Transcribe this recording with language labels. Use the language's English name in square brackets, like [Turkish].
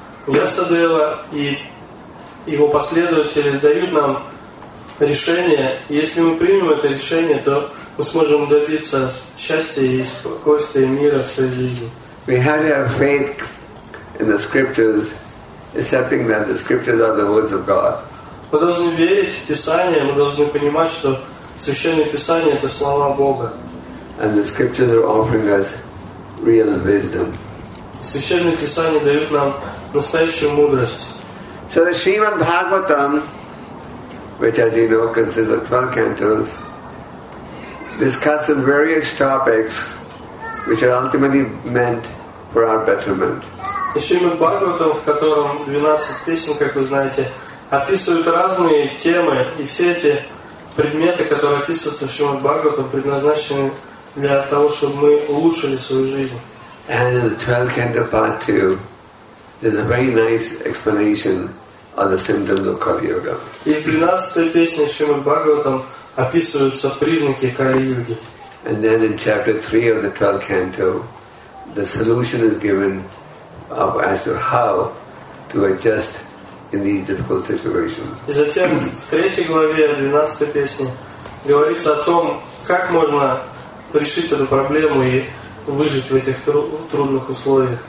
[Russian] Ясадева и его последователи дают нам решение. Если мы примем это решение, то мы сможем добиться счастья и спокойствия мира в своей жизни. [English] We have to have faith in the scriptures, accepting that the scriptures are the words of God. [Russian] Мы должны верить в Писание, мы должны понимать, что Священное Писание — это слова Бога. [English] And the scriptures are offering us real wisdom. [Russian] Священное Писание дает нам настоящую мудрость. [English] So the Srimad Bhagavatam, which as you know consists of 12 cantos, discusses various topics which are ultimately meant for our betterment. [Russian] Srimad Bhagavatam, в котором 12 песен, как вы знаете, описывают разные темы, и все эти предметы, которые описываются в Шримад-Бхагаватам, предназначены для того, чтобы мы улучшили свою жизнь. [English] And in the 12th canto, part 2, there's a very nice explanation on the symptoms of Kali Yuga. [Russian] И в 13-й песне Шримад Бхагаватам описываются признаки Кали Юги. [English] And then in chapter 3 of the 12th canto, the solution is given of as to how to adjust in these difficult situations. [Russian] И затем в 3-й главе 12-й песни говорится о том, как можно решить эту проблему и выжить в этих трудных условиях.